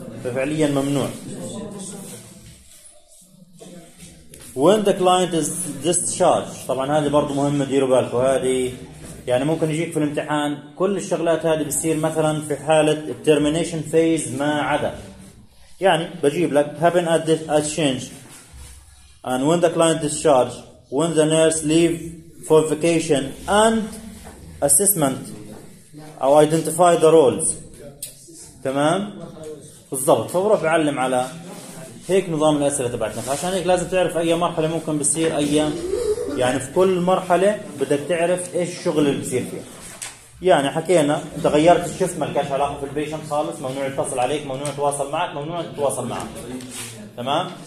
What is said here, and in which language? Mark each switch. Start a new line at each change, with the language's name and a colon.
Arabic: ففعليا ممنوع.
English: When the client is discharged,
Arabic: طبعا هذه برضو مهمة ديروا بالكم. هذه يعني ممكن يجيك في الامتحان كل الشغلات هذه بتصير مثلا في حالة termination phase ما عدا. يعني بجيب لك
English: happen at this change and when the client is discharged, when the nurse leave for vacation and assessment or identify the roles.
Arabic: تمام بالضبط. فبروح بعلم على هيك نظام الأسئلة تبعتنا. فعشان هيك لازم تعرف أي مرحلة ممكن بتصير أي يعني في كل مرحلة بدك تعرف إيش الشغل اللي بصير فيها. يعني حكينا أنت غيرت الشفت ما لكش علاقة في البيشن خالص، ممنوع يتصل عليك، ممنوع يتواصل معك، ممنوع يتواصل معك. تمام.